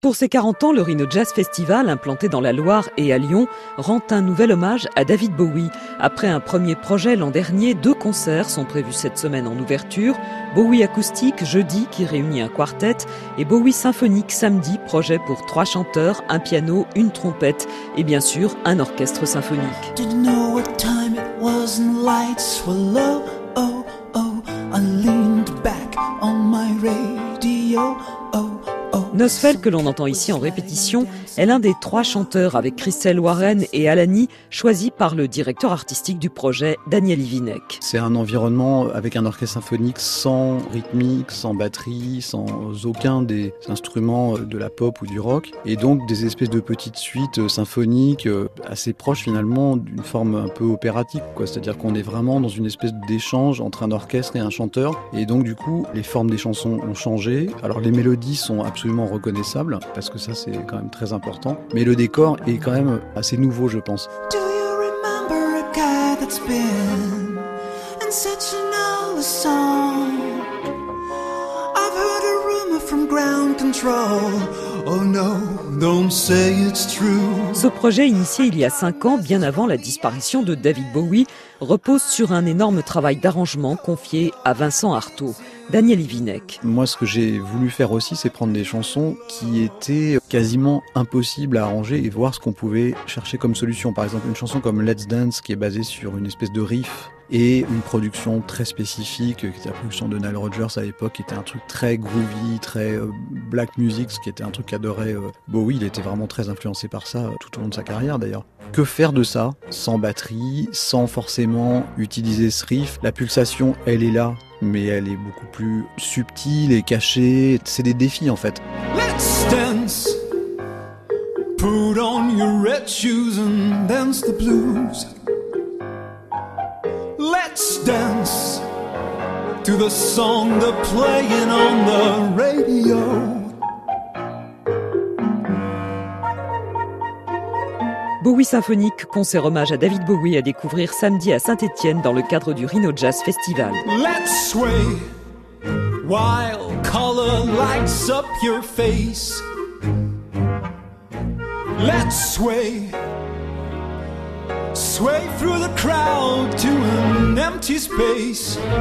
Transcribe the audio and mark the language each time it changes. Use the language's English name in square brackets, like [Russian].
[French] Pour ses 40 ans, le Rhino Jazz Festival, implanté dans la Loire et à Lyon, rend un nouvel hommage à David Bowie. Après un premier projet l'an dernier, deux concerts sont prévus cette semaine en ouverture. Bowie acoustique, jeudi, qui réunit un quartet, et Bowie symphonique, samedi, projet pour trois chanteurs, un piano, une trompette, et bien sûr, un orchestre symphonique. [English] Didn't know what time it was and lights were low, oh, oh, I leaned back on my radio, oh. [French] Nosfell, que l'on entend ici en répétition, est l'un des trois chanteurs avec Christelle Warren et Alani, choisi par le directeur artistique du projet, Daniel Ivinek. C'est un environnement avec un orchestre symphonique sans rythmique, sans batterie, sans aucun des instruments de la pop ou du rock. Et donc des espèces de petites suites symphoniques assez proches finalement d'une forme un peu opératique. C'est-à-dire qu'on est vraiment dans une espèce d'échange entre un orchestre et un chanteur. Et donc du coup, les formes des chansons ont changé. Alors les mélodies sont absolument reconnaissable, parce que ça c'est quand même très important, mais le décor est quand même assez nouveau, je pense. [English] Do you remember a guy that's been and said you know a song? I've heard a rumor from ground control. Oh no, don't say it's true. [French] Ce projet, initié il y a 5 ans, bien avant la disparition de David Bowie, repose sur un énorme travail d'arrangement confié à Vincent Artaud. Daniel Ivinek. Moi, ce que j'ai voulu faire aussi, c'est prendre des chansons qui étaient quasiment impossibles à arranger et voir ce qu'on pouvait chercher comme solution. Par exemple, une chanson comme Let's Dance, qui est basée sur une espèce de riff et une production très spécifique, qui était la production de Nile Rodgers à l'époque, qui était un truc très groovy, très black music, ce qui était un truc qu'adorait Bowie. Il était vraiment très influencé par ça tout au long de sa carrière, d'ailleurs. Que faire de ça sans batterie, sans forcément utiliser ce riff? La pulsation, elle est là, mais elle est beaucoup plus subtile et cachée. C'est des défis, en fait. Let's dance. [English] Put on your red shoes and dance the blues. Let's dance to the song they're playing on the radio. [French] Bowie symphonique, concert hommage à David Bowie à découvrir samedi à Saint-Étienne dans le cadre du Rhino Jazz Festival. [English] Let's sway while color lights up your face. Let's sway. Sway through the crowd to an empty space.